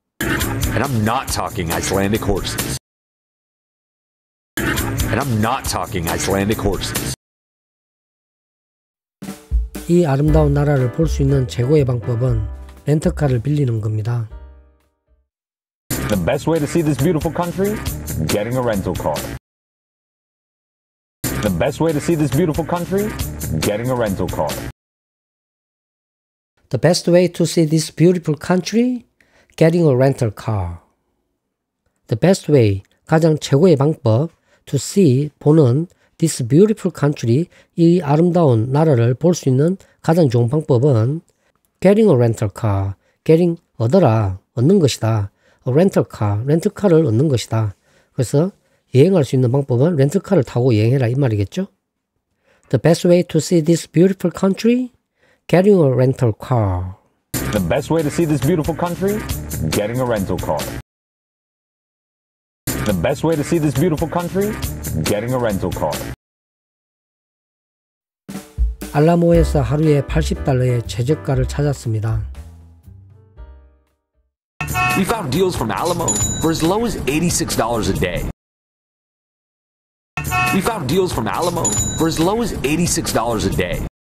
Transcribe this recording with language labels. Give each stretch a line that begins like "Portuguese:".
English: And I'm not talking Icelandic horses. And I'm not talking Icelandic horses.
Korean: 이 아름다운 나라를 볼 수 있는 최고의 방법은 렌터카를 빌리는 겁니다.
English: The best way to see this beautiful country? Getting a rental car. The best way to see this beautiful country? Getting a rental car. The best way to see this beautiful country? Getting a rental car. The best way,
Korean: 가장 최고의 방법,
English: to see,
Korean: 보는
English: this beautiful country,
Korean: 이 아름다운 나라를 볼 수 있는 가장 좋은 방법은
English: getting a rental car, getting,
Korean: 얻어라, 얻는 것이다.
English: A rental car,
Korean: 렌트카를 얻는 것이다. 그래서 여행할 수 있는 방법은 렌트카를 타고 여행해라 이 말이겠죠?
English: The best way to see this beautiful country? Getting a rental car. The best way to see this beautiful country? Getting a rental car. The best way to see this beautiful country? Getting a rental car.
Korean: 알라모에서 하루에 $80의 최저가를 찾았습니다.
English: We found deals from Alamo for as low as $86 a day. We found deals from Alamo for as low as $86 a day.